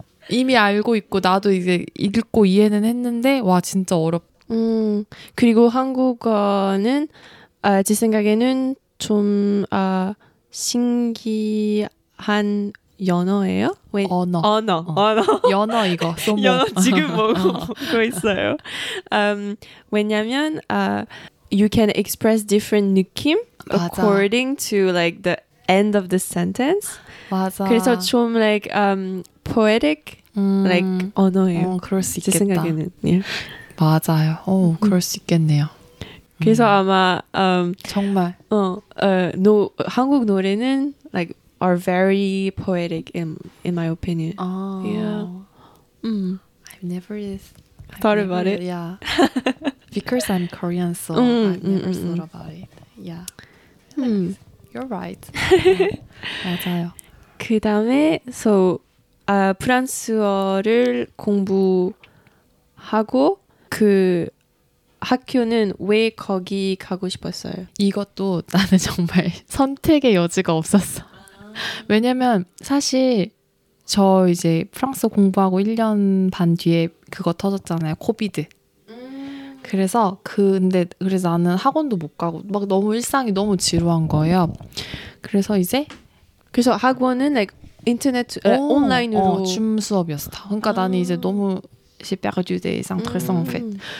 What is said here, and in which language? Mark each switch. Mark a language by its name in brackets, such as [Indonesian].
[Korean] 이미 알고 있고 나도 이제 읽고 이해는 했는데 와 진짜 어렵. 그리고 한국어는 아, 제 생각에는 좀 아, 신기한 연어예요? 왜? 언어. 언어. 어. 언어. 연어 이거. 소모. 연어 지금 먹고 보고 있어요. [English] 왜냐면 you can express different [Korean] 느낌 맞아. [English] according to like the end of the sentence. [Korean] 맞아. 그래서 좀 [English] like poetic like [Korean] 언어예요. 어, 그럴 수 있겠다. 제 생각에는. Yeah. 맞아요. 오, 그럴 수 있겠네요. 그래서 아마 정말 한국 노래는 [English] like are very poetic in my opinion. Oh. Yeah. I've never thought about it. Yeah. Because I'm Korean, so I've never thought about it. Yeah. You're right. Yeah. [Korean] 맞아요. 그다음에 so 프랑스어를 공부하고 그 학교는 왜 거기 가고 싶었어요? 이것도 나는 정말 선택의 여지가 없었어. 왜냐면 사실 저 이제 프랑스 공부하고 1년 반 뒤에 그거 터졌잖아요. 코비드. 그래서 그래서 나는 학원도 못 가고 막 너무 일상이 너무 지루한 거예요. 그래서 이제 그래서 학원은 like 인터넷 온라인으로 줌 수업이었어. 그러니까 나는 이제 너무 [French] j'ai perdu des intérêts en fait.